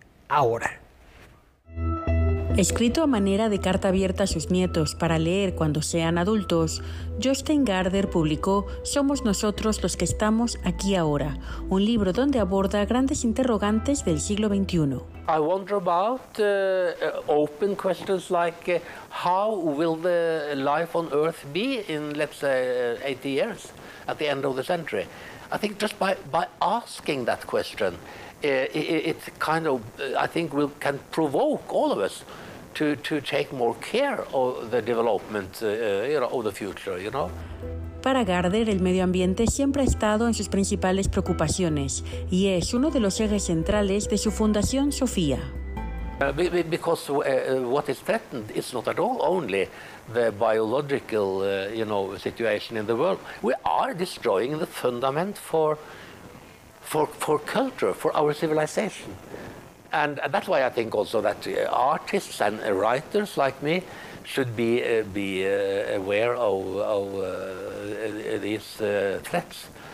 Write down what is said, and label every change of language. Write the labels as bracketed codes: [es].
[es] Ahora. Escrito a manera de carta abierta a sus nietos para leer cuando sean adultos, Justin Gardner publicó Somos nosotros los que estamos aquí ahora, un libro donde aborda grandes interrogantes del siglo XXI. [en] I wonder about open questions like how will the life on Earth be in, let's say, 80 years at the end of the century. I think just by asking that question, it can provoke all of us to take more care of the development of the future, you know. [es] Para Gardner, el medio ambiente siempre ha estado en sus principales preocupaciones y es uno de los ejes centrales de su fundación Sofía. [en] Because what is threatened is not at all only the biological situation in the world. We are destroying the fundament for culture, for our civilization. And that's why I think also that artists and writers like me should be aware of these threats.